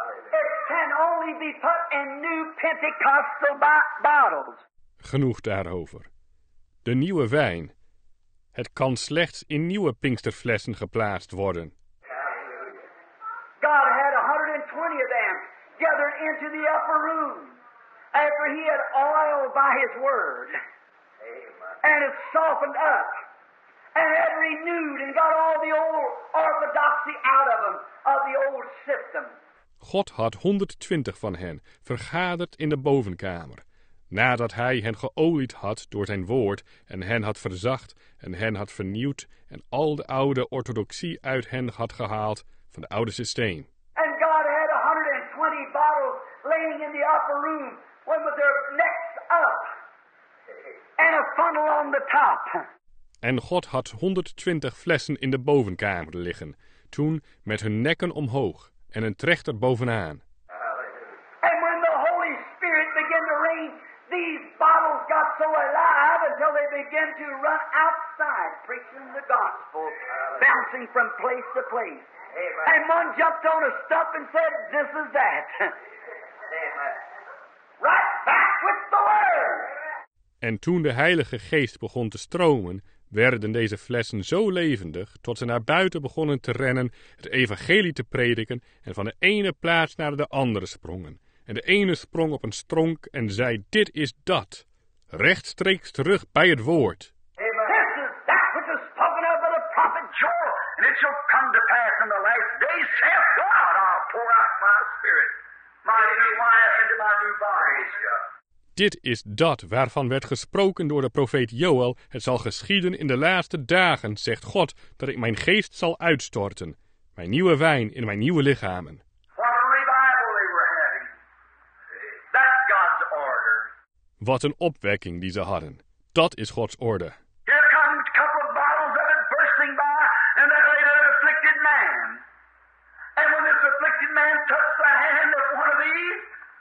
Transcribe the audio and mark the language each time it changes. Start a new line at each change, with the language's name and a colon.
English: It can only be put in new Pentecostal bottles.
Dutch: Genoeg daarover. De nieuwe wijn. Het kan slechts in nieuwe Pinksterflessen geplaatst worden.
English: God had 120 of them gathered into the upper room after he had oiled by his word. And it softened up and had renewed and got all the old orthodoxy out of them.
Dutch: God had 120 van hen vergaderd in de bovenkamer, nadat hij hen geolied had door zijn woord en hen had verzacht en hen had vernieuwd en al de oude orthodoxie uit hen had gehaald van het oude systeem.
English: And God had 120 bottles laying in the upper room, one with their necks up, and a funnel on the top.
Dutch: En God had 120 flessen in de bovenkamer liggen, toen met hun nekken omhoog en een trechter bovenaan.
English: And when the Holy Spirit began to rain, these bottles got so alive until they began to run outside preaching the gospel, bouncing from place to place. Amen. And one jumped on a stump and said, this is that. Amen. Right back with the word.
Dutch: En toen de Heilige Geest begon te stromen, werden deze flessen zo levendig tot ze naar buiten begonnen te rennen, het evangelie te prediken en van de ene plaats naar de andere sprongen. En de ene sprong op een stronk en zei, dit is dat, rechtstreeks terug bij het woord.
English: This is that which is spoken of by the prophet Joel, and it shall come to pass in the last days, saith God, I'll pour out my spirit, my new wife into my new body.
Dutch: Dit is dat waarvan werd gesproken door de profeet Joël. Het zal geschieden in de laatste dagen, zegt God, dat ik mijn geest zal uitstorten. Mijn nieuwe wijn in mijn nieuwe lichamen.
English: What a revival they were having. That's God's order.
Dutch: Wat een opwekking die ze hadden. Dat is Gods orde.
English: Here come a couple of bottles of it bursting by, and there laid an afflicted man. And when this afflicted man touched the hand of one of these,